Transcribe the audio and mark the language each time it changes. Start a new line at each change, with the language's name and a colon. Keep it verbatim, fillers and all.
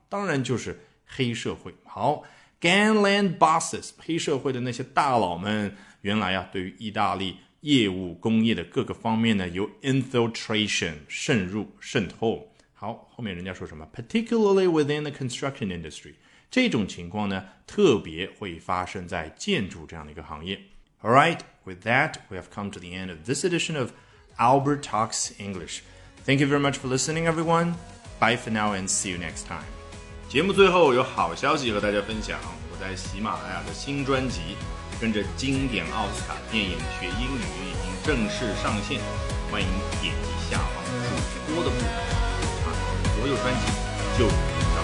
Chinese: 当然就是黑社会。好，
English: gangland bosses
Chinese: 黑社会的那些大佬们，原来啊对于意大利业务工业的各个方面呢有 infiltration 渗入渗透。好，后面人家说什么
English: particularly within the construction industry，
Chinese: 这种情况呢，特别会发生在建筑这样的一个行业。
English: All right, with that, we have come to the end of this edition of Albert Talks English. Thank you very much for listening, everyone. Bye for now and see you next time.
Chinese: 节目最后有好消息和大家分享，我在喜马拉雅的新专辑《跟着经典奥斯卡电影学英语》已经正式上线，欢迎点击下方主播的部分查看所有专辑就